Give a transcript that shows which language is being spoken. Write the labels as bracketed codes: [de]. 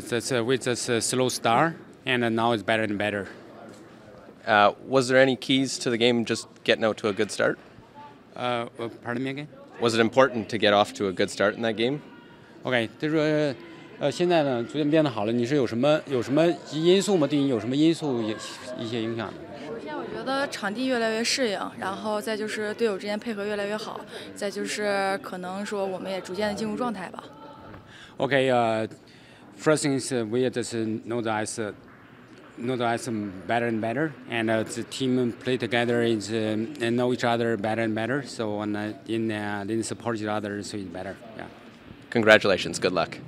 [en] That's with this slow start, and now it's better and better. Was there any keys to the game just getting out to a good start? Pardon me again? Was it important to get off to a good start in that game? [zh] Okay, 就是说现在呢逐渐变得好了，你是有什么因素吗？对你有什么因素一些影响呢？我现在我觉得场地越来越适应，然后再就是队友之间配合越来越好，再就是可能说我们也逐渐的进入状态吧。 [en] Okay, first thing is we just know the ice. Know the ice better and better, and the team play together is and know each other better and better. So when in support each other, so it's better. Yeah. Congratulations. Good luck.